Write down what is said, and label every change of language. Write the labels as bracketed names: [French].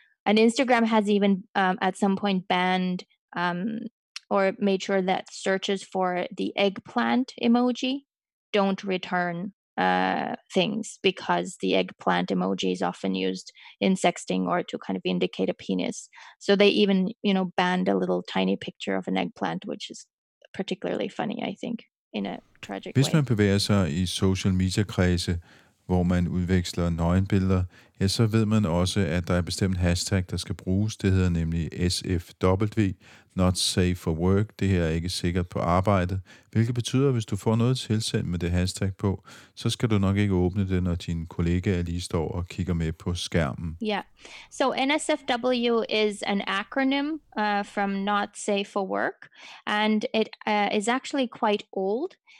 [English] And Instagram has even at some point banned or made sure that searches for the eggplant emoji don't return things, because the eggplant emoji is often used in sexting or to kind of indicate a penis. So they even, you know, banned a little tiny picture of an eggplant, which is particularly funny, I think, in a tragic [Danish] way. Hvis man bevæger sig i social media kredse, hvor man udveksler nøgenbilleder, ja, så ved man også, at der er bestemt hashtag, der skal bruges. Det hedder nemlig SFW, Not Safe for Work. Det her er ikke sikkert på arbejdet. Hvilket betyder, at hvis du får noget tilsendt med det hashtag på, så skal du nok ikke åbne det, når dine kollegaer lige står og kigger med på skærmen. [English] Yeah. So NSFW is an acronym from Not Safe for Work. And it is actually quite old.